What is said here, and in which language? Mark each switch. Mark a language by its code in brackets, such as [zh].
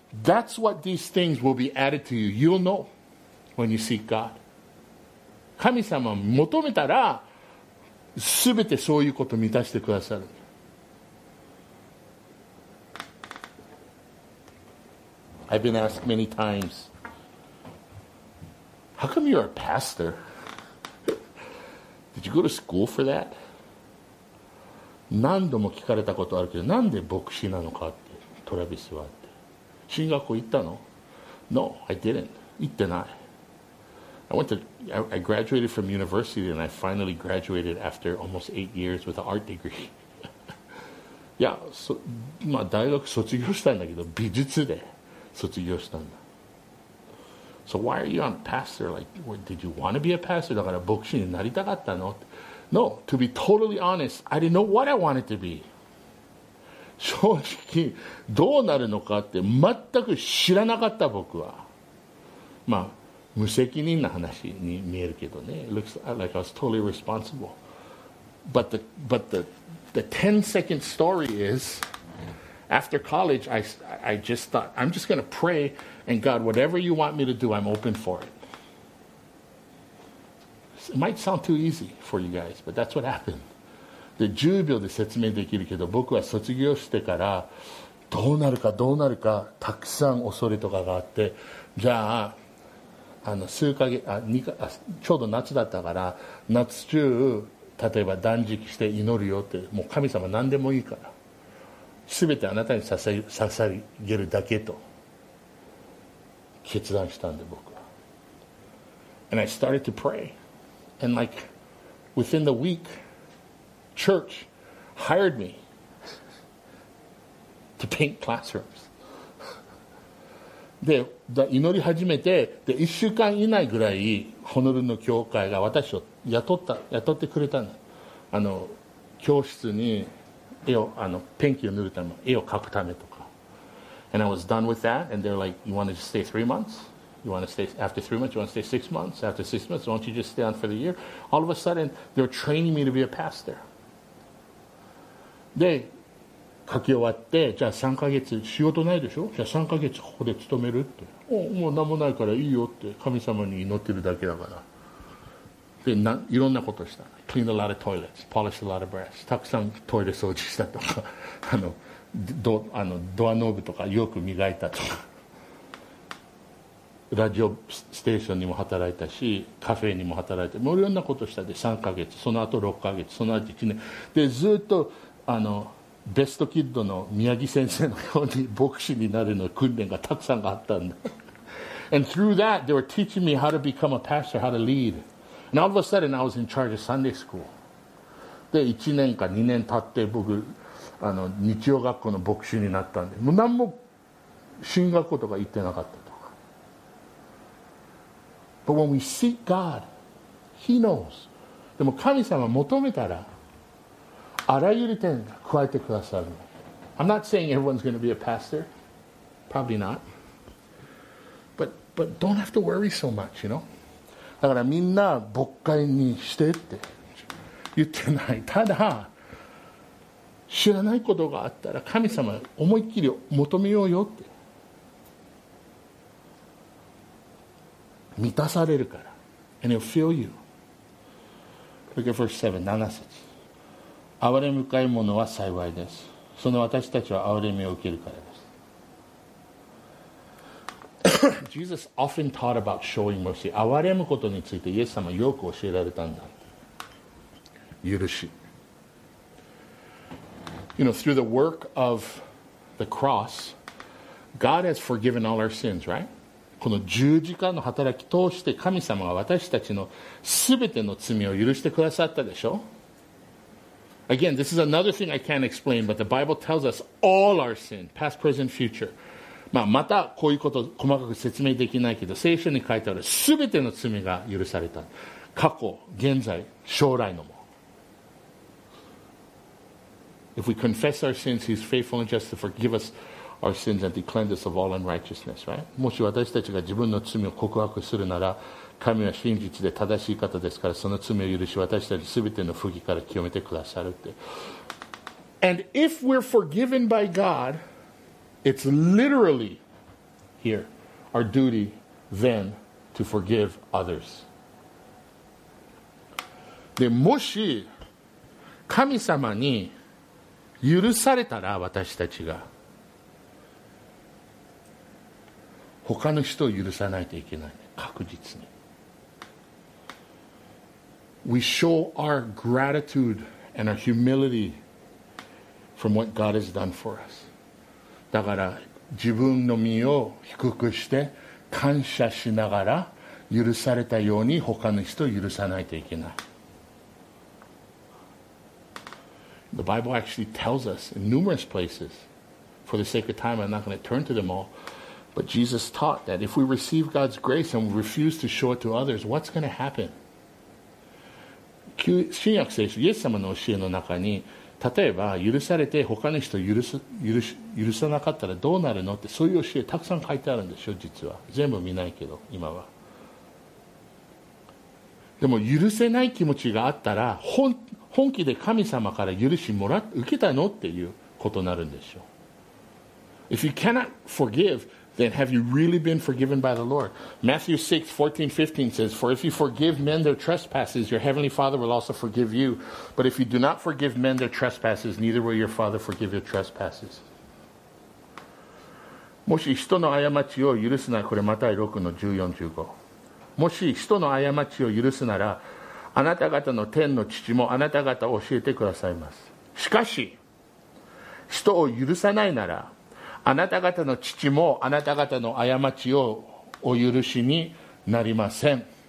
[en] That's what these things will be added to you. You'll know when you seek God. [ja] 神様を求めたら、すべてそういうことを満たしてくださる。 [en] I've been asked many times, how come you're a pastor? Did you go to school for that? [ja] 何度も聞かれたことあるけど、なんで牧師なのかって、トラビスはって。進学校行ったの？ [en] No, I didn't. [ja] 行ってない。 [en] I graduated from university and I finally graduated after almost 8 years with an art degree. [ja] いや、まあ、大学卒業したんだけど、美術で。卒業したんだ。 [en] So why are you on pastor? Like, did you want to be a pastor? [ja] だから牧師になりたかったの？ [en] No, to be totally honest, I didn't know what I wanted to be. [ja] 正直どうなるのかって全く知らなかった僕は。まあ無責任な話に見えるけどね。 [en] It looks like I was totally responsible. But the 10 second story is. After college, I just thought, I'm just going to pray, and God, whatever you want me to do, I'm open for it. It might sound too easy for you guys, but that's what happened. [ja] で、10秒で説明できるけど、僕は卒業してから、どうなるかどうなるか、たくさん恐れとかがあって、じゃあ、数ヶ月、ちょうど夏だったから、夏中、例えば断食して祈るよって、もう神様何でもいいから。全てあなたに捧げるだけと決断したんで僕は。 [en] And I started to pray. And like within the week, church hired me to paint classrooms. [ja] で、祈り始めて、で、1週間以内ぐらい、ホノルルの教会が私を雇ってくれたんだ。教室に、ペンキを塗るため、絵を描くためとか。 [en] And I was done with that, and they're like, you want to just stay 3 months? You want to stay after 3 months? You want to stay 6 months? After 6 months, won't you just stay on for the year? All of a sudden, they're training me to be a pastor. [ja] で、書き終わって、じゃあ3ヶ月、仕事ないでしょ？じゃあ3ヶ月ここで勤めるって。おお、もう何もないからいいよって、神様に祈ってるだけだから。で、いろんなことした。 [en] Cleaned a lot of toilets, polished a lot of brass. [ja] たくさんトイレ掃除したとか、ドアノブとかよく磨いたとか、ラジオステーションにも働いたし、カフェにも働いて、もういろんなことしたで、3ヶ月、その後6ヶ月、その後1年。で、ずっと、ベストキッドの宮城先生のように牧師になるの訓練がたくさんあったんだ。 [en] And through that, they were teaching me how to become a pastor, how to lead. And all of a sudden, I was in charge of Sunday school. [ja] で、1年か2年経って僕、日曜学校の牧師になったんで、もう何も進学校とか行ってなかったとか。 [en] But when we seek God, He knows. [ja] でも神様求めたらあらゆる点が加えてくださる。 [en] I'm not saying everyone's going to be a pastor. Probably not. But don't have to worry so much, you know? [ja] だからみんな牧会にしてって言ってない。ただ知らないことがあったら神様思いっきり求めようよって。満たされるから。 [en] And he'll fill you. Look at verse 7, [ja] 7節。憐れ深い者は幸いです。その私たちは憐れみを受けるからです。 [en] Jesus often taught about showing mercy. [ja] 憐れむことについてイエス様よく教えられたんだ。許し。 [en] You know, through the work of the cross, God has forgiven all our sins, right? [ja] この十字架の働き通して神様が私たちの全ての罪を許してくださったでしょ? [en] Again, this is another thing I can't explain, but the Bible tells us all our sin, past, present, future. [ja] まあ、またこういうこと細かく説明できないけど、聖書に書いてある全ての罪が許された。過去、現在、将来のも。 [en] If we confess our sins, he's faithful and just to forgive us our sins and to cleanse us of all unrighteousness, right? [ja] もし私たちが自分の罪を告白するなら、神は真実で正しい方ですから、その罪を許し、私たち全ての不義から清めてくださるって。 [en] And if we're forgiven by God, it's literally here, our duty then to forgive others. [ja] で、もし神様に許されたら私たちが他の人を許さないといけない、ね、確実に。 [en] We show our gratitude and our humility from what God has done for us. [ja] だから自分の身を低くして感謝しながら許されたように他の人を許さないといけない。 [en] The Bible actually tells us in numerous places, for the sake of time, I'm not going to turn to them all, but Jesus taught that if we receive God's grace and we refuse to show it to others, what's going to happen? [ja] 新約聖書、イエス様の教えの中に、例えば許されて他の人を許さなかったらどうなるのって、そういう教えたくさん書いてあるんでしょ、実は。全部見ないけど、今は。でも許せない気持ちがあったら本気で神様から許しもら受けたのっていうことになるんでしょう。 [en] If you cannot forgive, then have you really been forgiven by the Lord? Matthew 6, 14, 15 says, For if you forgive men their trespasses, your heavenly Father will also forgive you. But if you do not forgive men their trespasses, neither will your Father forgive your trespasses. [ja] もし人の過ちを許すなら、これマタイ6の14、15。もし人の過ちを許すなら、あなた方の天の父もあなた方を教えてくださいます。しかし人を許さないなら、あなた方の父もあなた方の過ちをお許しになりません。